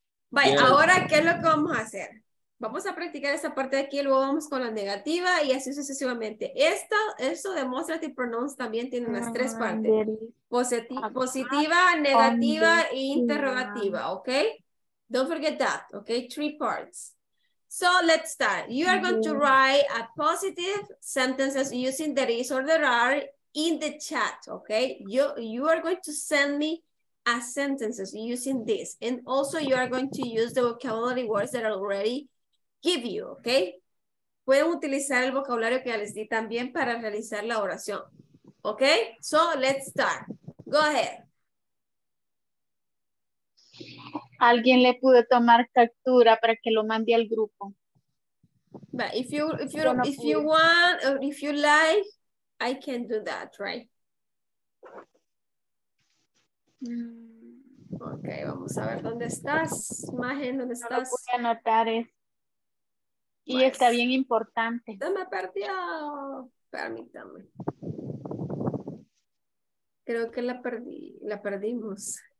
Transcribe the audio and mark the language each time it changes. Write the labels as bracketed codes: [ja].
[es] Vaya, ahora, ¿qué es lo que vamos a hacer? Vamos a practicar esta parte de aquí, luego vamos con la negativa y así sucesivamente. Esto demonstrative pronouns también tiene las tres partes: positiva, negativa e interrogativa, ¿ok? [en] Don't forget that, ¿ok? Three parts. So let's start. You are going to write a positive sentences using there is or there are in the chat, okay? You are going to send me a sentences using this. And also you are going to use the vocabulary words that I already give you, okay? [es] Pueden utilizar el vocabulario que ya les di también para realizar la oración, okay? [en] So let's start. Go ahead. [es] alguien le pudo tomar captura para que lo mande al grupo. [en] But if you want or if you like, I can do that, right? [es] Okay, vamos a ver dónde estás, imagen dónde estás. No lo pude anotar, y pues, está bien importante. Se me perdió. Permítame. Creo que la perdimos.